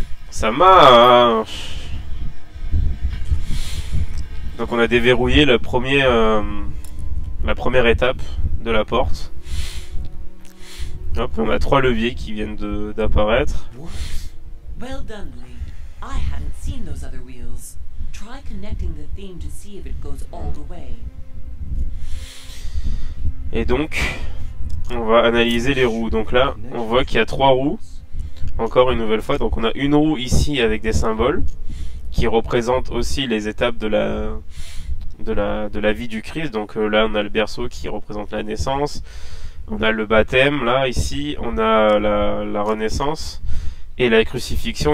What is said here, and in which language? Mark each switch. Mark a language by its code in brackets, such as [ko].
[fr] Ça marche! Donc on a déverrouillé la première étape de la porte. Hop, on a trois leviers qui viennent d'apparaître. [en] Well done, Lee. I hadn't seen those other wheels. Try connecting the theme to see if it goes all the way. [fr] Et donc, on va analyser les roues. Donc là, on voit qu'il y a trois roues. Encore une nouvelle fois. Donc on a une roue ici avec des symboles qui représente aussi les étapes de la vie du Christ. Donc là on a le berceau qui représente la naissance, on a le baptême là ici, on a la renaissance et la crucifixion.